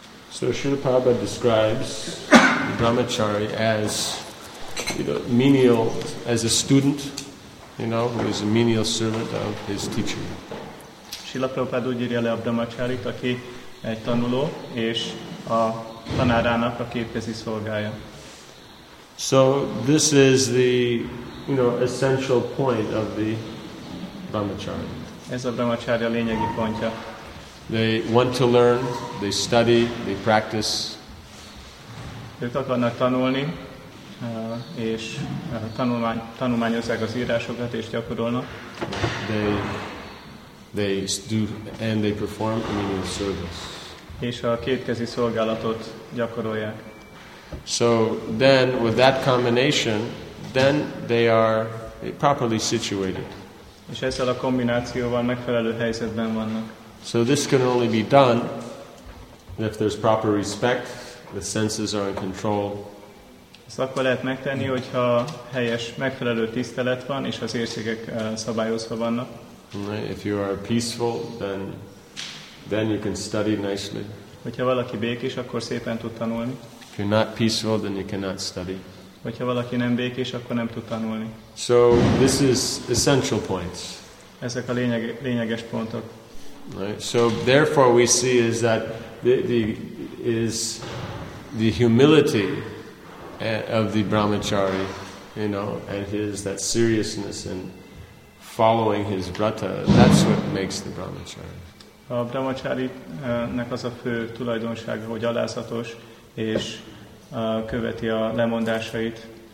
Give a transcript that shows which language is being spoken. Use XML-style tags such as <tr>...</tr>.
<en>So Srila Prabhupada describes Brahmachari as, you know, menial, as a student, you know, who is a menial servant of his teacher.</en> <hu>Srila Prabhupada úgy írja le a Brahmacharit, aki egy tanuló, és a tanárának a képezi szolgája.</hu> <en>So this is the, you know, essential point of the Brahmachari.</en> <hu>Ez a Brahmachari a lényegi pontja.</hu> <en>They want to learn, they study, they practice.</en> <hu>Ők akarnak tanulni, és tanulmányozzák az írásokat, és gyakorolnak.</hu> <en>They do and they perform menial service.</en> <hu>És a kétkezi szolgálatot gyakorolják.</hu> <en>So then, with that combination, then they are properly situated.</en> <hu>És ezzel a kombinációval megfelelő helyzetben vannak.</hu> <en>So this can only be done if there's proper respect, the senses are in control.</en> <hu>Ezt akkor lehet megtenni, hogyha helyes, megfelelő tisztelet van, és az érzékek szabályozva vannak.</hu> <en>If you are peaceful, then you can study nicely.</en> <hu>Hogyha valaki békés, akkor szépen tud tanulni.</hu> <en>If you're not peaceful, then you cannot study.</en> <hu>Hogyha valaki nem békés, akkor nem tud tanulni.</hu> <en>So this is essential points.</en> <hu>Ezek a lényeges pontok.</hu> <en>Right. So therefore we see is that is the humility of the Brahmachari, you know, and his that seriousness in following his vrata, that's what makes the Brahmachari.</en> <hu>A Brahmacharinak az a fő tulajdonsága, hogy alázatos és követi a lemondásait.</hu>